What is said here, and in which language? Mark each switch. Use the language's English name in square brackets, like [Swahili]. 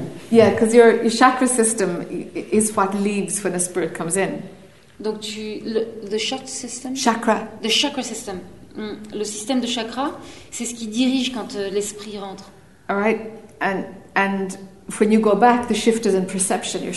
[English] Yeah, because your chakra system is what leads when the spirit comes in. Donc the chakra system. Chakra. The chakra system. [French] Le système de chakra, c'est ce qui dirige quand l'esprit rentre. [English] All right, and when you go back, the shift is in perception.